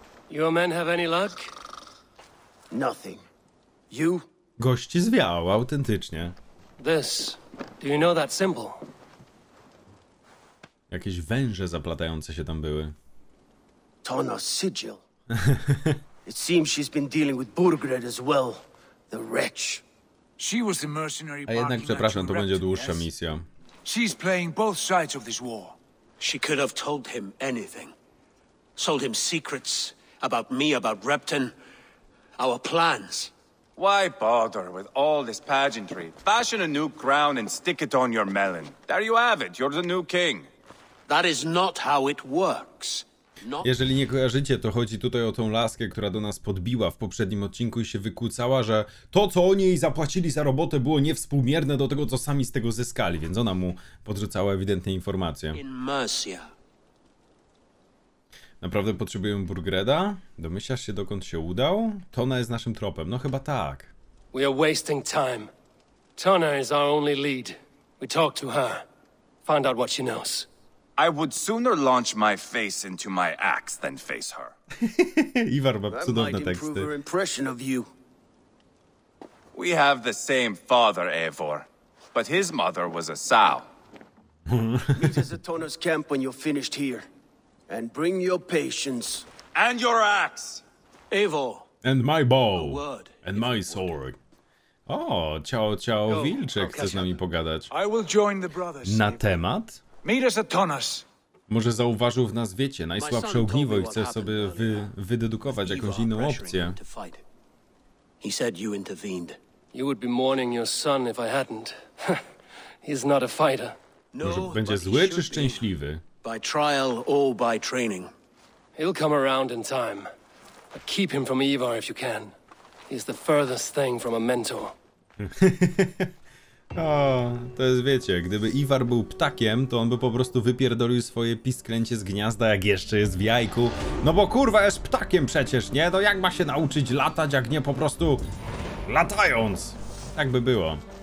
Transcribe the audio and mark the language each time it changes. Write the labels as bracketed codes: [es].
[en] Your men have any luck? Nothing. You? [pl] Gość zwiał, autentycznie. [en] This. Do you know that symbol? [pl] Jakieś węże zaplatające się tam były. [en] Tona's sigil. It seems she's been dealing with Burgred as well. The wretch. She was the mercenary. [pl] A jednak przepraszam, to będzie dłuższa misja. [en] She's playing both sides of this war. She could have told him anything. Sold him secrets about me, about Repton, our plans. Why bother with all this pageantry? Fashion a new crown and stick it on your melon. There you have it, you're the new king. That is not how it works. Not... [pl] Jeżeli nie kojarzycie, to chodzi tutaj o tą laskę, która do nas podbiła w poprzednim odcinku i się wykłócała, że to, co oni jej zapłacili za robotę, było niewspółmierne do tego, co sami z tego zyskali, więc ona mu podrzucała ewidentnie informacje. [en] In Mercia. [pl] Naprawdę potrzebujemy Burgreda? Domyślasz się, dokąd się udał? Tona jest naszym tropem. No chyba tak. [en] We are wasting time. Tona is our only lead. We talk to her. Find out what she knows. I would sooner launch my face into my axe than face her. [pl] Ivar ma cudowne teksty. [en] Impression of you. We have the same father, Eivor. But his mother was a sow. Meet us at Tona's camp when you're finished here. And bring your patience. And your axe! Eivor. And my bow. And my sword. [pl] O, ciao, ciao, Wilczek chce z nami pogadać. [en] I will join the brothers. [pl] Na temat? [en] Meet us at Tonas. [pl] Może zauważył w nas, wiecie, najsłabsze ogniwo i chce sobie wydedukować jakąś inną opcję. [en] He said you intervened. You would be mourning your son if I hadn't. He's not a fighter. [pl] Może będzie zły czy szczęśliwy? [en] By trial or by training. He'll come around in time. But keep him from Ivar if you can. He's the furthest thing from a mentor. [pl] O, to jest, wiecie, gdyby Ivar był ptakiem, to on by po prostu wypierdolił swoje pisklęcie z gniazda, jak jeszcze jest w jajku. No bo kurwa, jest ptakiem przecież, nie? No jak ma się nauczyć latać, jak nie po prostu latając? Tak by było.